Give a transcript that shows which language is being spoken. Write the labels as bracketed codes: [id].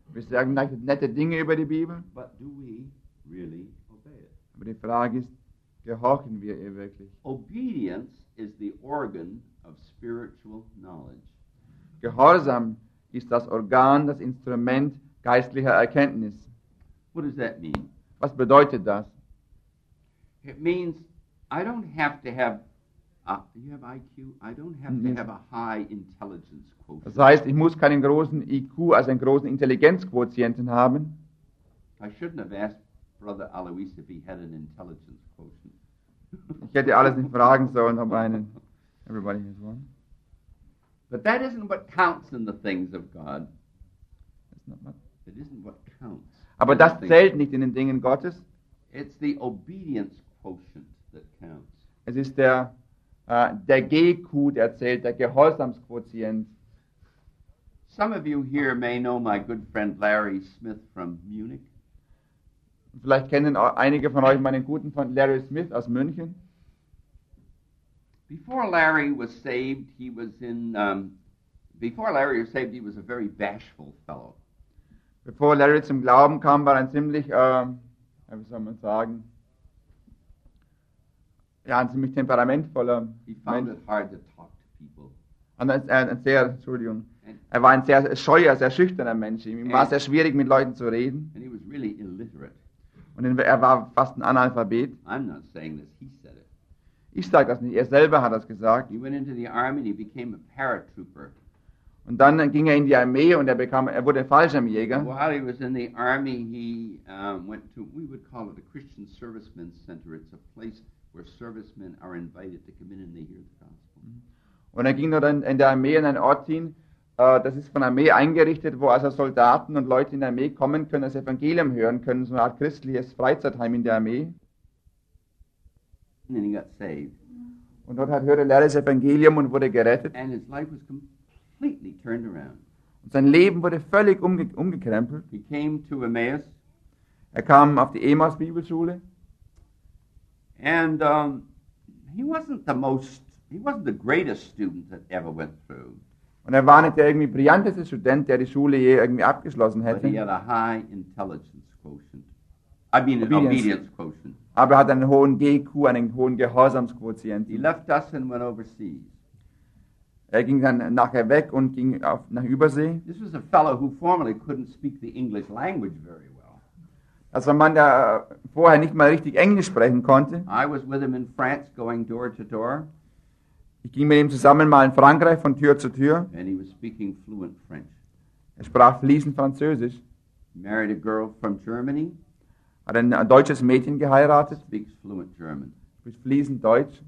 [de] Wir sagen nette Dinge über die Bibel. [en] But do we really obey it? [de] Aber die Frage ist, gehorchen wir ihr wirklich? [en] Obedience is the organ of spiritual knowledge. [de] Gehorsam ist das Organ, das Instrument geistlicher Erkenntnis. [en] What does that mean? [de] Was bedeutet das? [en] It means I don't have to have you have IQ, I don't have to have a high intelligence quotient. [de] Das heißt, ich muss keinen großen IQ, also einen großen Intelligenzquotienten haben. [en] I shouldn't have asked Brother Alois if he had an intelligence quotient. [de] Ich hätte alles nicht fragen sollen, ob einen. [en] Everybody has one. But that isn't what counts in the things of God. That's not what. It isn't what counts. [de] Aber das zählt nicht in den Dingen Gottes. [en] It's the obedience quotient that counts. [de] Es ist der der GQ, der zählt, der Gehorsamsquotient. [en] Some of you here may know my good friend Larry Smith from Munich. [de] Vielleicht kennen einige von euch meinen guten Freund Larry Smith aus München. [en] Before Larry was saved, he was in. Before Larry was saved, he was a very bashful fellow. [de] Bevor Larry zum Glauben kam, war ein ziemlich, wie soll man sagen, ja, ein ziemlich temperamentvoller Mensch. [en] He found it hard to talk to people. [de] Und er war ein sehr scheuer, sehr schüchterner Mensch. Ihm war sehr schwierig, mit Leuten zu reden. [en] And he was really illiterate. [de] Und er war fast ein Analphabet. [en] I'm not saying this, he said it. [de] Ich sage das nicht, er selber hat das gesagt. [en] He went into the army and he became a paratrooper. [de] Und dann ging er in die Armee und er wurde Fallschirmjäger. [en] While he was in the army, he went to, we would call it a Christian Servicemen Center. It's a place where servicemen are invited to come in and they hear the gospel. [de] Und er ging dann in der Armee in einen Ort hin, das ist von der Armee eingerichtet, wo also Soldaten und Leute in der Armee kommen können, das Evangelium hören können, so eine Art christliches Freizeitheim in der Armee. [en] And then he got saved. [de] Und dort hörte er das Evangelium und wurde gerettet. [en] And his life was completely turned around. [de] Und sein Leben wurde völlig umgekrempelt. [en] He came to Emmaus. [de] Er kam auf die Emmaus Bibelschule. [en] And he wasn't the greatest student that ever went through. [de] Und er war nicht der irgendwie brillanteste Student, der die Schule je irgendwie abgeschlossen hätte. [en] But he had a high intelligence quotient. I mean obedience quotient. [de] Aber er hat einen hohen GQ, einen hohen Gehorsamsquotienten. [en] He left us and went overseas. [de] Er ging dann nachher weg und ging nach Übersee. [en] This was a fellow who formerly couldn't speak the English language very well. [de] Das war ein Mann, der vorher nicht mal richtig Englisch sprechen konnte. [en] I was with him in France going door to door. [de] Ich ging mit ihm zusammen mal in Frankreich von Tür zu Tür. [en] And he was speaking fluent French. [de] Er sprach fließend Französisch. [en] Married a girl from Germany. [de] Hat ein deutsches Mädchen geheiratet. [en] Speaks fluent German. [de] Spricht fließend Deutsch.